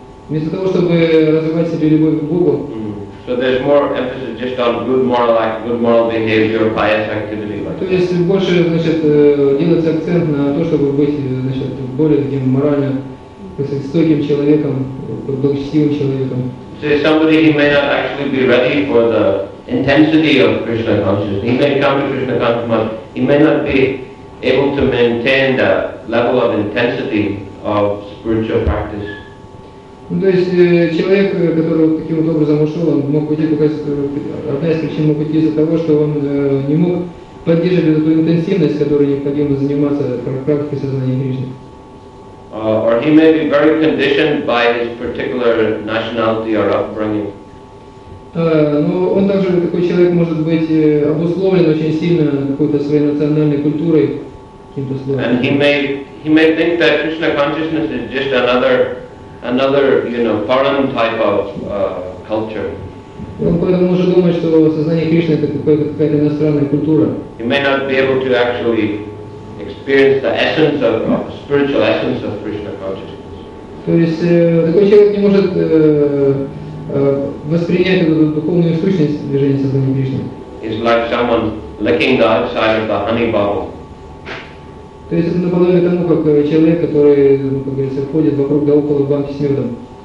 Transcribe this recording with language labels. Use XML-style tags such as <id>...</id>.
<ru>Вместо того, чтобы развивать себе любовь к Богу.</ru> <en>So there's more emphasis just on good moral act, good moral behavior, pious activity.</en> <ru>То есть больше, значит, делается акцент на то, чтобы быть, значит, более таким морально, то есть стойким человеком, благочестивым человеком.</ru> <en>So somebody he may not actually be ready for the intensity of Krishna consciousness. He may come to Krishna consciousness, he may not be able to maintain the level of intensity of spiritual practice.</en> <ru>Ну, то есть человек, который таким вот образом ушел, он мог уйти только из-за того, одна из причин мог уйти из-за того, что он не мог поддерживать эту интенсивность, которой необходимо заниматься практикой сознания Кришны.</ru> <en>Or he may be very conditioned by his particular nationality or upbringing.</en> <ru>Но он также, такой человек, может быть обусловлен очень сильно какой-то своей национальной культурой, каким-то словом.</ru> <en>And he may think that Krishna consciousness is just another, you know, foreign type of culture.</en> <ru>Он поэтому может думать, что сознание Кришны это какая-то иностранная культура.</ru> <en>He may not be able to actually experience the essence of spiritual essence of Krishna consciousness.</en> <ru>То есть такой человек не может воспринять эту духовную сущность движения сознания Кришны.</ru> <en>It's like someone licking the outside of the honey bottle.</en> <ru>То есть это наподобие тому, как человек, который, ну, как говорится, ходит вокруг да около банки с медом.</ru>